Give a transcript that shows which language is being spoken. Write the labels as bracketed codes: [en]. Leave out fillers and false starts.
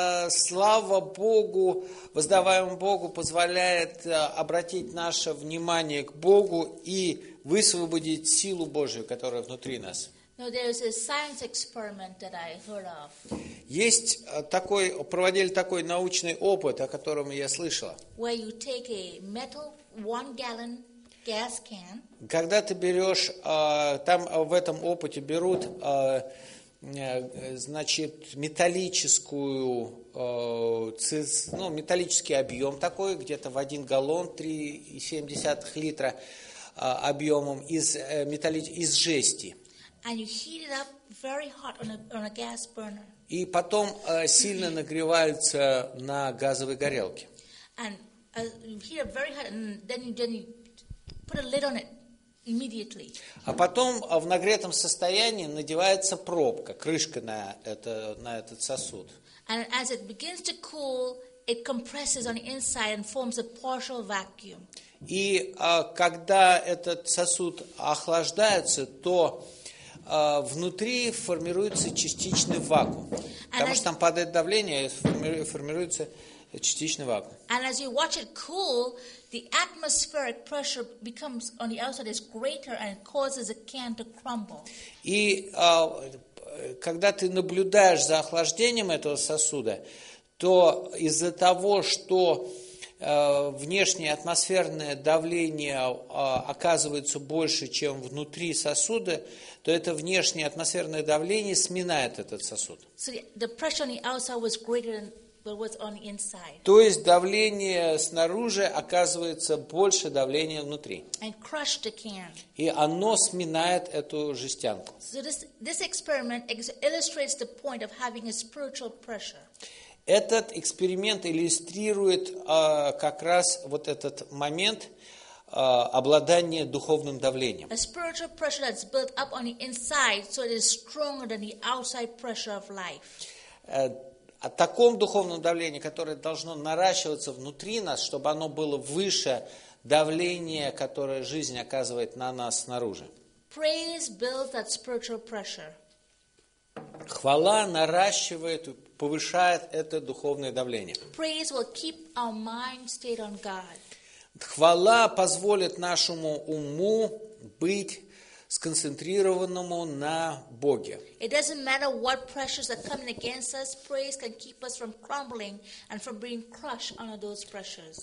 [ru] Слава Богу, воздаваем Богу, позволяет обратить наше внимание к Богу и высвободить силу Божию, которая внутри нас. [en] Now, there is a science experiment that I heard of. [ru] Есть такой, проводили такой научный опыт, о котором я слышала. [en] Where you take a metal 1 gallon gas can. [ru] Когда ты берешь, там в этом опыте берут, значит, металлическую, ну, металлический объем такой, где-то в 1 галлон, 3,7 литра объемом из жести. [en] And you heat it up very hot on a gas burner. [ru] И потом сильно нагреваются на газовой горелке. [en] And you heat it up very hot, and then you put a lid on it. Immediately. [ru] А потом в нагретом состоянии надевается пробка, крышка на этот сосуд. [en] And as it begins to cool, it compresses on the inside and forms a partial vacuum. [ru] И когда этот сосуд охлаждается, то внутри формируется частичный вакуум. Потому что там падает давление, формируется частичный вакуум. [en] And as you watch it cool, the atmospheric pressure becomes on the outside is greater and causes a can to crumble. [ru] И когда ты наблюдаешь за охлаждением этого сосуда, то из-за того, что внешнее атмосферное давление оказывается больше, чем внутри сосуда, то это внешнее атмосферное давление сминает этот сосуд. [en] So the pressure on the outside was greater than but what's on the inside. [ru] То есть давление снаружи оказывается больше давления внутри. [en] And crush the can. [ru] И оно сминает эту жестянку. [en] So this experiment illustrates the point of having a spiritual pressure. [ru] Этот эксперимент иллюстрирует как раз вот этот момент обладания духовным давлением. [en] A spiritual pressure that's built up on the inside, so it is stronger than the outside pressure of life. [ru] О таком духовном давлении, которое должно наращиваться внутри нас, чтобы оно было выше давления, которое жизнь оказывает на нас снаружи. [en] Praise builds that spiritual pressure. [ru] Хвала наращивает, повышает это духовное давление. [en] Praise will keep our mind stayed on God. [ru] Хвала позволит нашему уму быть сконцентрированному на Боге. [en] It doesn't matter what pressures are coming against us, praise can keep us from crumbling and from being crushed under those pressures.